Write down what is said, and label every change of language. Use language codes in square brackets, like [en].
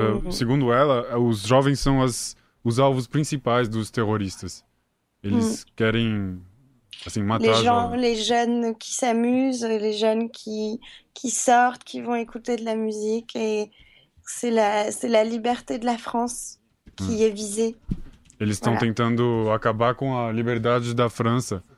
[pt] Segundo ela, os jovens são os alvos principais dos terroristas. Eles querem assim, matar [fr] les gens, jovens. Les jeunes qui s'amusent, les jeunes qui sortent, qui vont écouter de la musique. Et c'est la liberté de la France. Que é visé. [pt] Eles estão tentando acabar com a liberdade da França.